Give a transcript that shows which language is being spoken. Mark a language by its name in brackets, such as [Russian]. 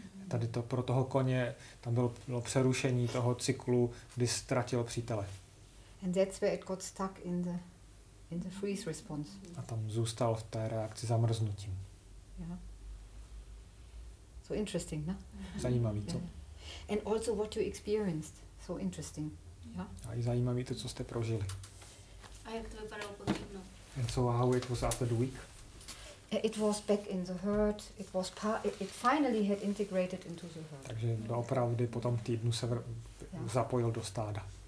[Czech] Tady to pro toho koně tam bylo přerušení toho cyklu, kdy ztratil přítele. [English] And that's where it got stuck in the freeze response. [Czech] A tam zůstal v té reakci zamrznutím. [English] Yeah. So interesting, no? [Czech] Zajímavý, co? [English] Yeah. And also what you experienced. So interesting. Yeah. [Czech] A je zajímavý to, co jste prožili. A jak to vypadalo po týdnu? [English] And so how it was after the week? It was back in the herd. It was it finally had integrated into the herd. [Czech] Takže doopravdy po tom týdnu se zapojil do stáda.